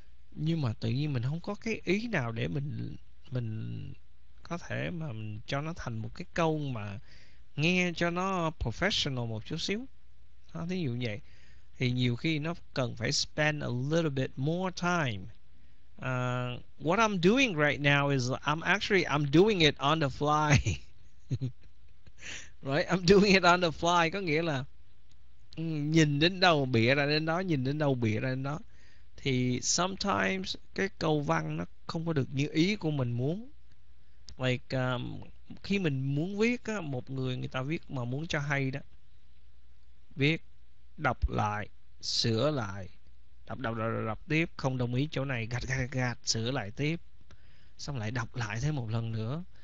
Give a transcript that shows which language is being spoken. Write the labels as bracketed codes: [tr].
[vi] Nhưng mà tự nhiên mình không có cái ý nào để mình có thể mà mình cho nó thành một cái câu mà nghe cho nó professional một chút xíu. Đó, thí dụ như vậy thì nhiều khi nó cần phải [en] spend a little bit more time. What I'm doing right now is I'm doing it on the fly. Right, I'm doing it on the fly [vi] có nghĩa là nhìn đến đâu bịa ra đến đó, nhìn đến đâu bịa ra đến đó. Thì sometimes cái câu văn nó không có được như ý của mình muốn. Like khi mình muốn viết á, một người người ta viết mà muốn cho hay đó, viết đọc lại sửa lại đọc, đọc đọc đọc tiếp, không đồng ý chỗ này gạch gạch gạch sửa lại tiếp xong lại đọc lại thêm một lần nữa.